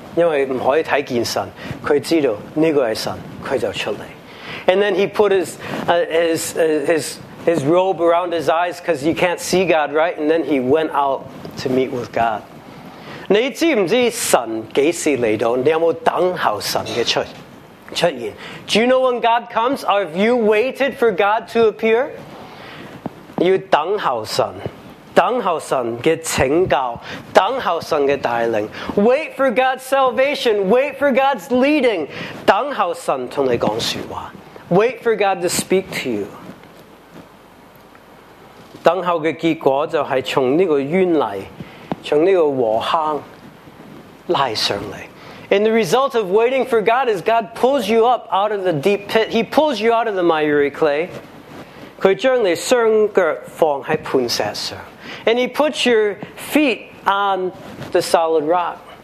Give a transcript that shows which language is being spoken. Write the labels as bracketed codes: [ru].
[zh] 因为不可以看见神，他知道这个是神，他就出来。 [en] And then he put his robe around his eyes because you can't see God, right? And then he went out to meet with God. [zh] 你知不知道神几时来到？你有没有等候神的出出現. [en] Do you know when God comes? Or have you waited for God to appear? [zh] 要等候神, 等候神的拯救, 等候神的带领. [en] Wait for God's salvation. Wait for God's leading. [zh] 等候神跟你讲说话. [en] Wait for God to speak to you. [zh] 等候的结果就是从这个冤泥, 从这个祸坑, 拉上来. [en] And the result of waiting for God is God pulls you up out of the deep pit. He pulls you out of the miry clay. [zh] 他将你双脚放在磐石上, [en] and He puts your feet on the solid rock.